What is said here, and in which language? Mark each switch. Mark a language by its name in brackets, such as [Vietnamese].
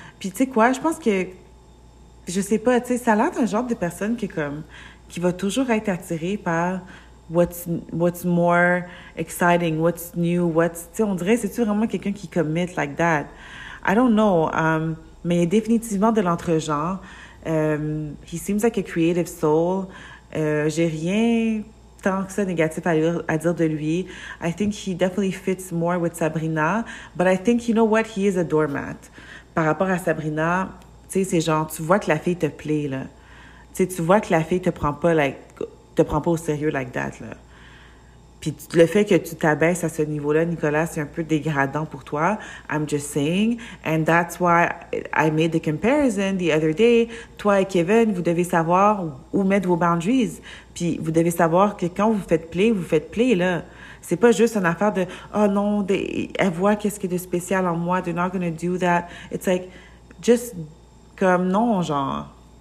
[French] Puis tu sais quoi, je pense que, je sais pas, tu sais, ça a l'air d'un genre de personne qui, comme, qui va toujours être attirée par [English] what's more exciting, what's new, what's, [French] tu sais, on dirait, c'est-tu vraiment quelqu'un qui commit like that? [English] I don't know, [French] mais il est définitivement de l'entre-genre. [English] He seems like a creative soul. [French] J'ai rien tant que ça négatif à dire de lui. [English] I think he definitely fits more with Sabrina, but I think, you know what, he is a doormat. [French] Par rapport à Sabrina, tu sais, c'est genre, tu vois que la fille te plaît, là. Tu sais, tu vois que la fille te prend pas, like, te prend pas au sérieux like that, là. Puis le fait que tu t'abaisses à ce niveau-là, Nicolas, c'est un peu dégradant pour toi. [English] I'm just saying. And that's why I made the comparison the other day. [French] Toi et Kevin, vous devez savoir où mettre vos boundaries. Puis vous devez savoir que quand vous faites play, là. C'est pas juste une affaire de, oh non, elle voit qu'est-ce qui est de spécial en moi. [English] They're not gonna do that. It's like, just [French] comme, non, genre.